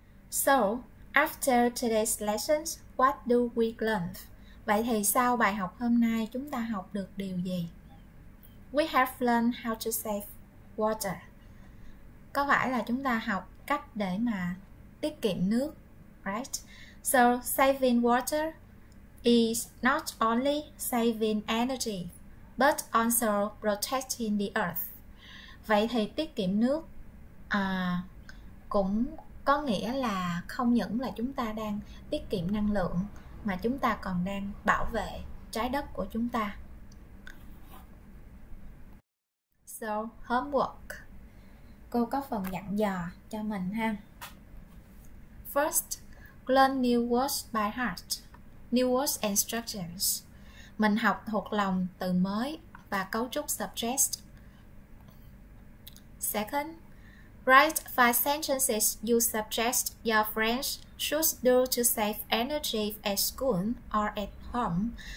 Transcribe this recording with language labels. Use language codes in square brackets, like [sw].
[en] So, after today's lessons, what do we learn? [vi] Vậy thì sau bài học hôm nay chúng ta học được điều gì? [en] We have learned how to save water. [vi] Có phải là chúng ta học cách để mà tiết kiệm nước, right? [en] So saving water is not only saving energy, but also protecting the earth. [vi] Vậy thì tiết kiệm nước cũng có nghĩa là không những là chúng ta đang tiết kiệm năng lượng mà chúng ta còn đang bảo vệ trái đất của chúng ta. [en] So, homework. [vi] Cô có phần dặn dò cho mình ha. [en] First, learn new words by heart. New words and structures. [vi] Mình học thuộc lòng từ mới và cấu trúc subject. [en] Second, write 5 sentences you suggest your friends should do to save energy at school or at home.